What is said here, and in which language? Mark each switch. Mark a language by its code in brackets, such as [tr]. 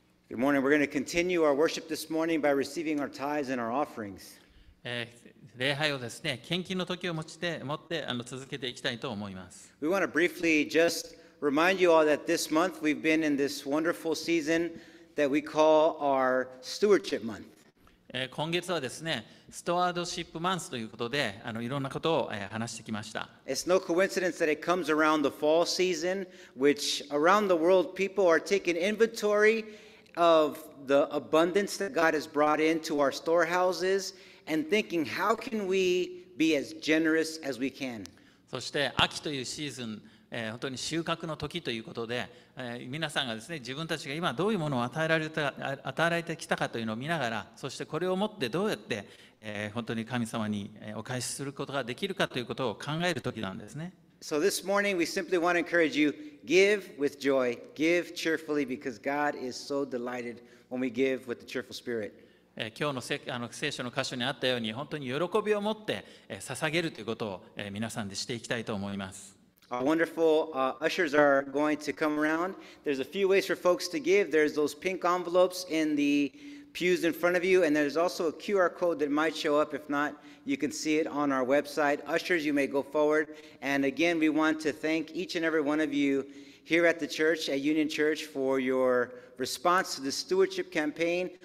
[en] We're going to continue our worship this morning by receiving our tithes and our offerings. [ja] 礼拝をですね、献金の時を持って続けていきたいと思います。 [en] We want to briefly just remind you all that this month we've been in this wonderful season that we call our stewardship month. [ja] 今月はですね、ストワードシップマンスということで、いろんなことを話してきました。 [en] It's no coincidence that it comes around the fall season, which around the world people are taking inventory. Of the abundance that God has brought into our storehouses and thinking, how can we be as generous as we can? [ja] そして秋というシーズン、本当に収穫の時ということで、皆さんがですね、自分たちが今どういうものを与えられてきたかというのを見ながら、そしてこれを持ってどうやって、本当に神様にお返しすることができるかということを考える時なんですね。 [en] So this morning, we simply want to encourage you, give with joy, give cheerfully, because God is so delighted when we give with a cheerful spirit. [ja] 今日の聖書の箇所にあったように、本当に喜びを持って捧げるということを皆さんでしていきたいと思います。 [en] Our wonderful ushers are going to come around. There's a few ways for folks to give. There's those pink envelopes in the pews in front of you, and there's also a QR code that might show up. If not, you can see it on our website. Ushers, you may go forward. And again, we want to thank each and every one of you here at the church, at Union Church, for your response to the stewardship campaign.